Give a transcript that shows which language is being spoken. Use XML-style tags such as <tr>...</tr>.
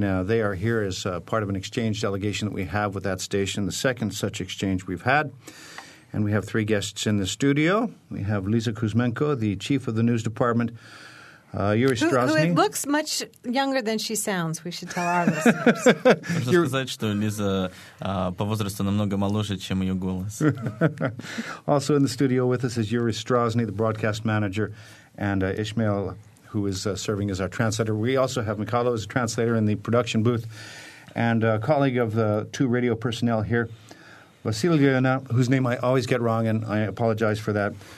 <en>They are here as part of an exchange delegation that we have with that station, the second such exchange we've had. And we have three guests in the studio. We have Liza Kuzmenko, the chief of the news department, Yuri Strosny. Who looks much younger than she sounds, we should tell our listeners.</en> <ru>Можно сказать, что Лиза по возрасту намного моложе, чем ее голос.</ru> <en>Also in the studio with us is Yuri Strosny, the broadcast manager, and Ishmael, who is serving as our translator. We also have Mikhailo as a translator in the production booth, and a colleague of the two radio personnel here, Vasilyevna, whose name I always get wrong, and I apologize for that.</en>